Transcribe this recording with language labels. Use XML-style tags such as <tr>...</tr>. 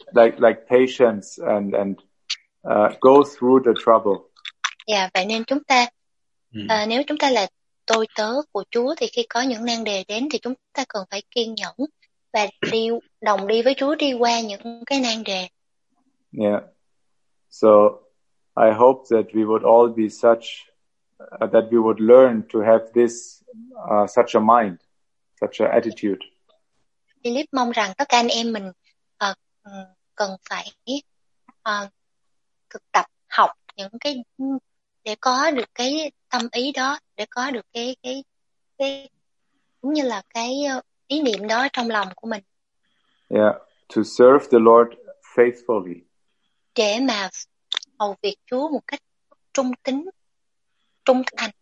<en>Yeah, like patience and go through the trouble.</en> <vi>Yeah, vậy nên chúng ta nếu chúng ta là tôi tớ của Chúa thì khi có những nan đề đến thì chúng ta cần phải kiên nhẫn và đồng đi với Chúa đi qua những cái nan đề.</vi> <en>Yeah. So I hope that we would all be such that we would learn to have this such a mind, such an attitude.</en> <vi>Philip mong rằng tất cả anh em mình cần phải thực tập học những cái để có được cái tâm ý đó, để có được cái cũng như là cái ý niệm đó trong lòng của mình.</vi> <en>Yeah, to serve the Lord faithfully.</en> <vi>Để mà hầu việc Chúa một cách trung tín, trung thành.</vi>